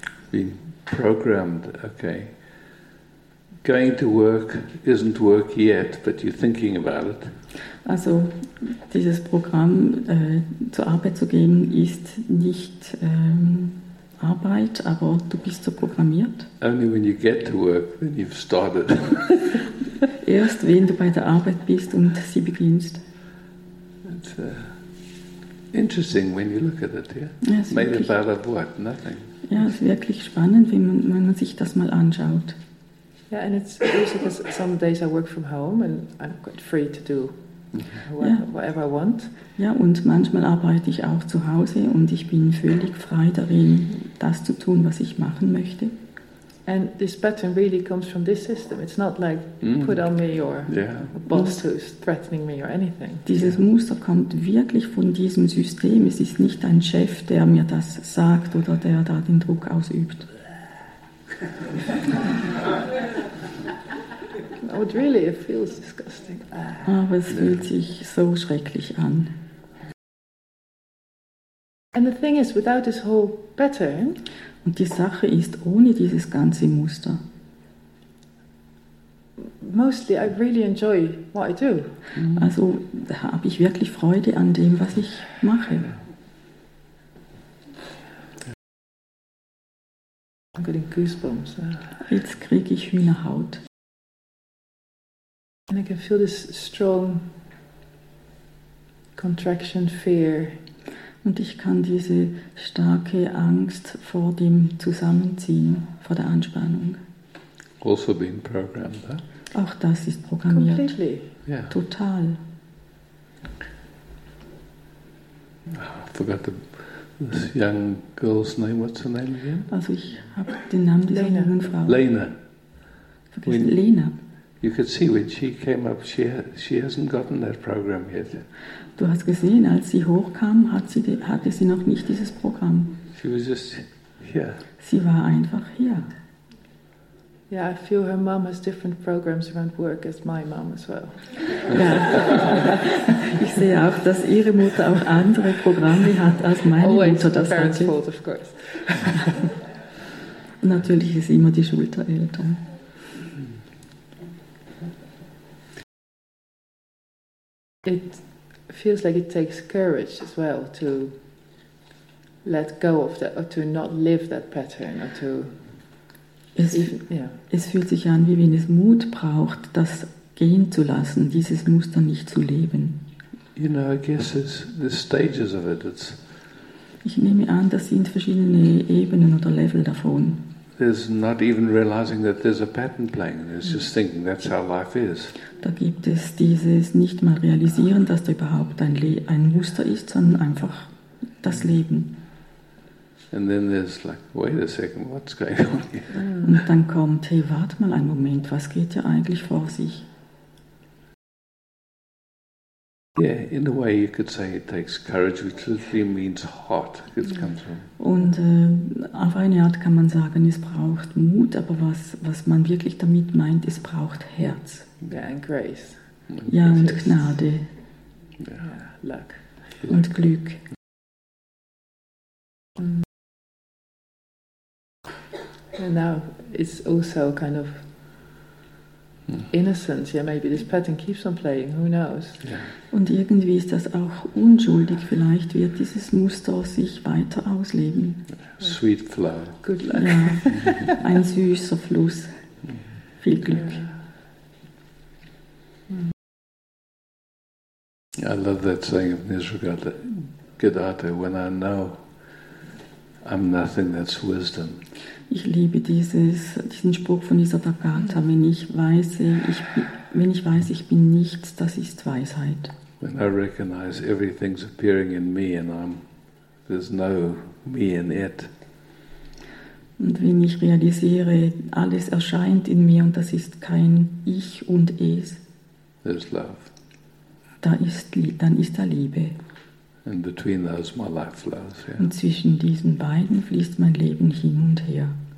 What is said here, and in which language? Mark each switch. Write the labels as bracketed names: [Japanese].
[English] Being programmed, okay. Going to work isn't work yet, but you're thinking about it. [German] Also, dieses Programm, zur Arbeit zu gehen, ist nicht Arbeit, aber du bist so programmiert. [English] Only when you get to work, then you've started. [German] Erst wenn du bei der Arbeit bist und sie beginnst. [English] It's interesting when you look at it, yeah? [German] Ja, [English] made about of what? Nothing. [German] Ja, es ist wirklich spannend, wenn man sich das mal anschaut. [English] Yeah, and it's also because some days I work from home and I'm quite free to do whatever I want. [German] Ja, und manchmal arbeite ich auch zu Hause und ich bin völlig frei darin, das zu tun, was ich machen möchte. [English] And this pattern really comes from this system. It's not like put on me or a boss who's threatening me or anything. [German] Dieses Muster kommt wirklich von diesem System. Es ist nicht ein Chef, der mir das sagt oder der da den Druck ausübt. [English] But really, it feels disgusting. [German] Aber es fühlt sich so schrecklich an. [English] And the thing is, without this whole pattern. [German] Und die Sache ist, ohne dieses ganze Muster. [English] Mostly, I really enjoy what I do. [German] Also habe ich wirklich Freude an dem, was ich mache. [English] I'm getting goosebumps. [German] Jetzt kriege ich Hühnerhaut. [English] And I can feel this strong contraction fear. [German] Und ich kann diese starke Angst vor dem Zusammenziehen, vor der Anspannung. [English] Also being programmed, huh? [German] Auch das ist programmiert. [English] Completely. Yeah. [German] Total. [English] Oh, I forgot this young girl's name. What's her name again? [German] Also ich habe den Namen dieser jungen Frau. Lena. Vergessen, Lena. [English] You could see when she came up, she hasn't gotten that program yet. [German] Du hast gesehen, als sie hochkam, hatte sie noch nicht dieses Programm. [English] She was just here. [German] Sie war einfach hier. [English] Yeah, I feel her mom has different programs around work as my mom as well. [German] Ja. Ich sehe auch, dass ihre Mutter auch andere Programme hat als meine [English] Always [German] Mutter. [English] Always parents' hatte. Fault, of course. [German] Natürlich ist immer die Schuld der Eltern. [English] It feels like it takes courage as well to let go of that, or to not live that pattern, or to. [German] Es fühlt sich an, wie wenn es Mut braucht, das gehen zu lassen, dieses Muster nicht zu leben. [English] You know, I guess it's the stages of it. It's. [German] Ich nehme an, das sind verschiedene Ebenen oder Level davon. [English] There's not even realizing that there's a pattern playing. It's just thinking that's how life is. [German] Da gibt es dieses nicht mal realisieren, dass da überhaupt ein Muster ist, sondern einfach das Leben. [English] And then there's like, wait a second, what's going on here? [German] Und dann kommt, hey, warte mal einen Moment, was geht hier eigentlich vor sich? [English] Yeah, in a way you could say it takes courage, which literally means heart. It comes from. [German] Und auf eine Art kann man sagen, es braucht Mut, aber was man wirklich damit meint, es braucht Herz. [English] Yeah, and grace. [German] Ja, und Gnade. [English] Yeah, luck. [German] Und Glück. [English] And now it's also kind of innocence. Yeah, maybe this pattern keeps on playing. Who knows? [German] Und irgendwie ist das auch unschuldig. Vielleicht wird dieses Muster sich weiter ausleben. [English] Sweet flow. Good luck. [German] Ja, ein süßer Fluss. Viel Glück. [English] Yeah. I love that saying of Nisargadatta. When I know I'm nothing, that's wisdom. [German] Ich liebe diesen Spruch von Nisargadatta. Wenn ich weiß, ich bin nichts, das ist Weisheit. [English] When I recognize everything's appearing in me and there's no me in it. [German] Und wenn ich realisiere, alles erscheint in mir und das ist kein Ich und Es. [English] There's love. [German] Dann ist da Liebe. [English] And between those, my life flows. Yeah. [German] Und zwischen diesen beiden fließt mein Leben hin und her.